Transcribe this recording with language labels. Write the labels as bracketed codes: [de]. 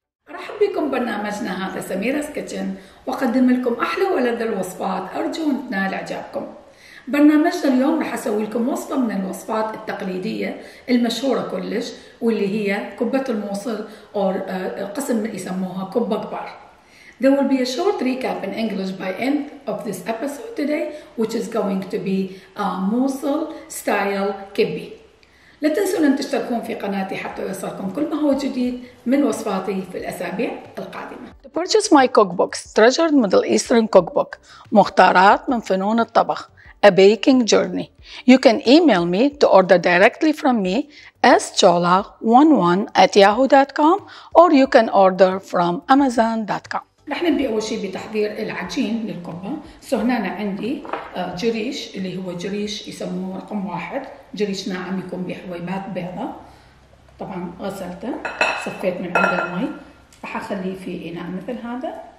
[ar] مرحبا بكم برنامجنا هذا سميرة سكتشن، وقدم لكم أحلى ولذ الوصفات. أرجو أن تنال إعجابكم. برنامجنا اليوم رح أسوي لكم وصفة من الوصفات التقليدية المشهورة كلش، واللي هي كبة الموصل أو قسم ما يسموها كبة كبار. [en] There will be a short recap in English by end of this episode today, which is going to be a Mosul style كبي. [ar] لا تنسون أن تشتركون في قناتي حتى يوصلكم كل ما هو جديد من وصفاتي في الأسابيع القادمة. [en] To purchase my cookbooks, Treasured Middle Eastern Cookbook, مختارات من فنون الطبخ, A Baking Journey. You can email me to order directly from me, sjola11@yahoo.com, or you can order from amazon.com. [ar] نحن نبدأ أول شيء بتحضير العجين للكبة. سو هنا أنا عندي جريش، اللي هو جريش يسموه رقم واحد، جريش ناعم يكون بحويبات بيضة. طبعا غسلته، صفيت من عنده المي، رح أخليه في إناء مثل هذا.